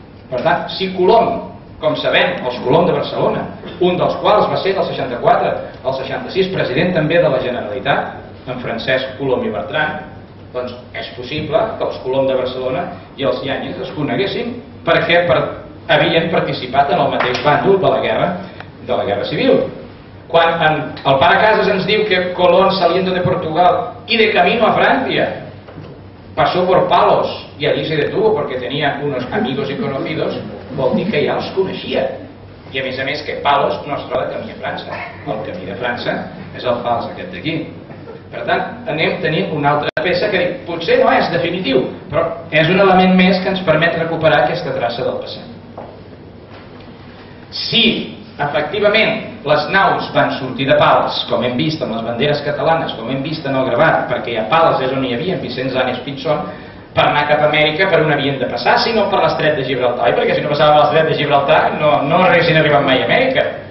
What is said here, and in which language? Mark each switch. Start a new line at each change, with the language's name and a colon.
Catalan: Per tant, si Colom, com sabem, els Colom de Barcelona, un dels quals va ser del 64, el 66, president també de la Generalitat, en Francesc Colom i Bertran, doncs és possible que els Colom de Barcelona i els Yáñez es coneguessin perquè havien participat en el mateix bàndol de la Guerra Civil. Quan el pare Casas ens diu que
Spanish: Colón saliendo de Portugal y de camino a Francia pasó por Palos y allí se detuvo porque tenía unos amigos y conocidos,
Catalan: vol dir que ja els coneixia. I a més que Palos no es troba camí a França. El camí de França és el Pals aquest d'aquí. Per tant, anem tenint una altra peça que potser no és definitiu, però és un element més que ens permet recuperar aquesta traça del passat. Si efectivament les naus van sortir de Pals, com hem vist amb les banderes catalanes, com hem vist en el gravat, perquè a Pals és on hi havia Vicenç Anes Pinzón, per anar cap a Amèrica, per on havien de passar, sinó per l'estret de Gibraltar, i perquè si no passava per l'estret de Gibraltar no haguessin arribat mai a Amèrica.